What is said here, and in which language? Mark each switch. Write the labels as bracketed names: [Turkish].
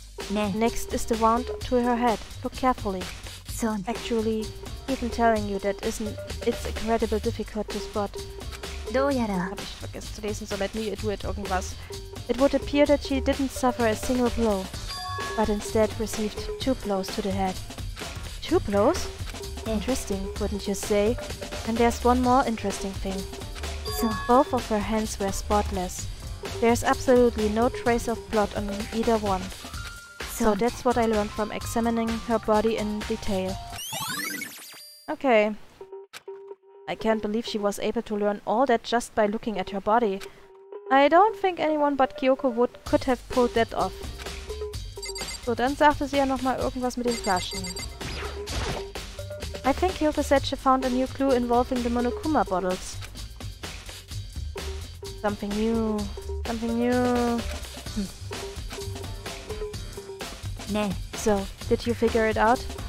[German] Nee. [English] Next is the wand to her head. Look carefully. So. Actually, even telling you that isn't... It's incredibly difficult to spot. Doyara. [German] Hab ich vergessen zu lesen, [English] so let me do it [German] irgendwas. [English] It would appear that she didn't suffer a single blow, but instead received two blows to the head. Two blows? [German] Nee. [English] Interesting, wouldn't you say? And there's one more interesting thing. So. Both of her hands were spotless. There's absolutely no trace of blood on either one. So that's what I learned from examining her body in detail. Okay. I can't believe she was able to learn all that just by looking at her body. I don't think anyone but Kyoko could have pulled that off. [German] So dann sagte sie ja nochmal irgendwas mit den Flaschen. [English] I think Kyoko said she found a new clue involving the Monokuma bottles. Something new. Something new. [German] Nee. [English] So, did you figure it out?